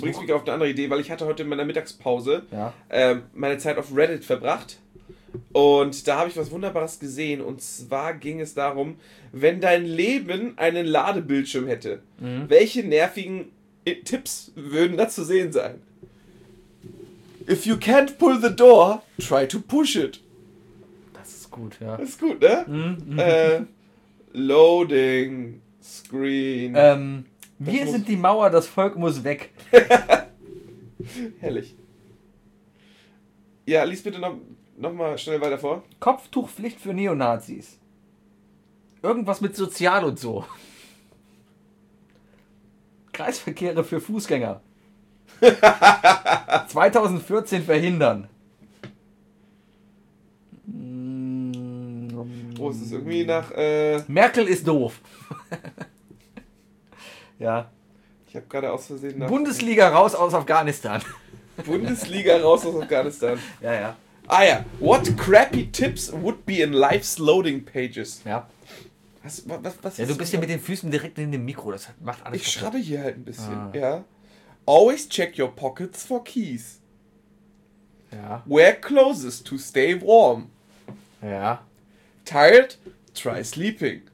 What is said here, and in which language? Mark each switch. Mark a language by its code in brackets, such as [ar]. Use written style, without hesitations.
[de] bringt mich auf eine andere Idee, weil ich hatte heute in meiner Mittagspause meine Zeit auf Reddit verbracht. Und da habe ich was Wunderbares gesehen. Und zwar ging es darum, wenn dein Leben einen Ladebildschirm hätte, welche nervigen Tipps würden da zu sehen sein? [en] If you can't pull the door, try to push it. [de] Das ist gut, ja. Das ist gut, ne? Loading... [en] Screen. [de] Wir sind die Mauer, das Volk muss weg. Herrlich. Ja, lies bitte noch mal schnell weiter vor. Kopftuchpflicht für Neonazis. Irgendwas mit Sozial und so. Kreisverkehre für Fußgänger. 2014 verhindern. Oh, es ist irgendwie nach... Merkel ist doof. Ja. Ich habe gerade aus Versehen nach... Bundesliga raus aus Afghanistan. Bundesliga raus aus Afghanistan. Ja, ja. Ah ja. [en] What crappy tips would be in life's loading pages? [de] Ja. Was ja, du bist ja mit den Füßen direkt in dem Mikro, das macht alles. Ich schreibe hier halt ein bisschen, ja. [en] Always check your pockets for keys. [de] Ja. [en] Wear clothes to stay warm. [de] Ja. [en] Tired? Try sleeping.